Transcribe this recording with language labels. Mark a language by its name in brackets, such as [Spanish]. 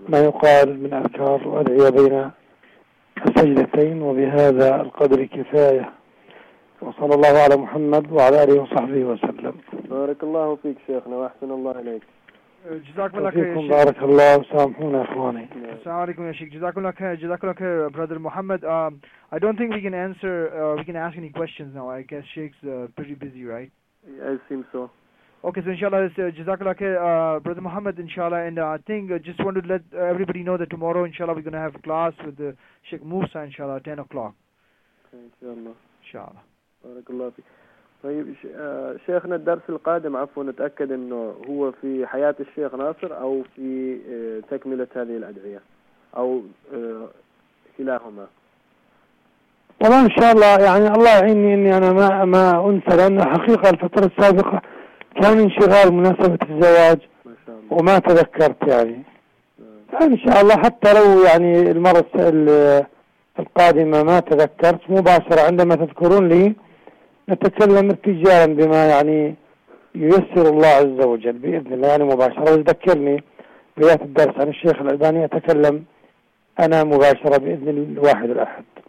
[Arabic] ما يقال من أذكار وأدعية بين السجدتين، وبهذا القدر كفاية. وصلى الله على محمد وعلى آله وصحبه وسلم. بارك الله فيك شيخنا وأحسن الله إليك. جزاكم الله خير. بارك الله وسامحونا إخواني. السلام عليكم يا شيخ. جزاكم الله خير brother محمد. [English] I don't think we can answer we can ask any questions now. I guess Sheikh's pretty busy, right? Yeah, it seems so. Okay, so inshallah, jazakallah khair, Brother Muhammad, inshallah, and I think I just wanted to let everybody know that tomorrow, inshallah, we're going to have class with Sheikh Musa, inshallah, 10 o'clock. Okay, inshallah. Inshallah. Barakallah fi. [Arabic] طيب, Sheikhna, الدرس القادم, عفوا, نتأكد أنه هو في حياة الشيخ ناصر أو في تكملة هذه الأدعية أو كلاهما. طبعا, إن شاء الله, الله يعيني أني أنا ما أنسى, لأنه حقيقة الفترة السابقة كان انشغال مناسبة الزواج وما تذكرت ان شاء الله حتى لو المرة القادمة ما تذكرت مباشرة عندما تذكرون لي نتكلم ارتجالا بما ييسر الله عز وجل بإذن الله مباشرة وذكرني بداية الدرس عن الشيخ الألباني أتكلم أنا مباشرة بإذن الواحد الأحد